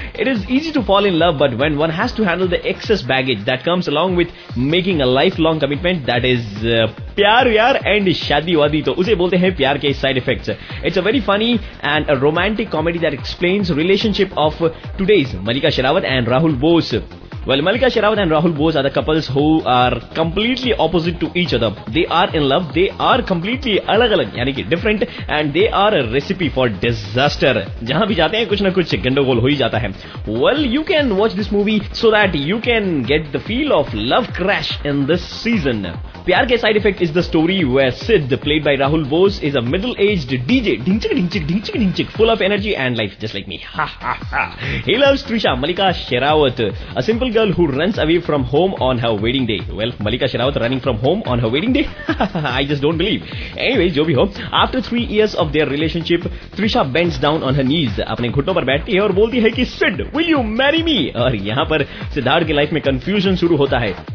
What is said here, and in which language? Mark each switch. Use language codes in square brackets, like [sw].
[en] it is easy to fall in love but when one has to handle the excess baggage that comes along with making a life long commitment that is प्यार यार and शादी वादी [hi] तो उसे बोलते हैं [en] Pyaar Ke side effect. It's a very funny and a romantic comedy that explains relationship of today's Mallika Sherawat and Rahul Bose. Well, Mallika Sheravan and Rahul Bose are the couples who are completely opposite to each other. They are in love. They are completely [hi] alag-alag, yani ki [en] different, and they are a recipe for disaster. [hi] Jahan bhi jaate hain, kuch na kuch gandagol ho hi jata hai. [en] Well, you can watch this movie so that you can get the feel of love crash in this season. Pyaar Ke side effect is the story where Sid played by Rahul Bose is a middle aged DJ ढिंचक full of energy and life just like me he loves Trisha Mallika Sherawat a simple girl who runs away from home on her wedding day. Well Mallika Sherawat running from home on her wedding day I just don't believe anyway [hi] जो भी हो [en] after 3 years of their relationship Trisha bends down on her knees [hi] अपने घुटनों पर बैठती है और बोलती है कि [en] Sid will you marry me [hi] और यहां पर सिद्धार्थ की लाइफ में कंफ्यूजन शुरू होता है।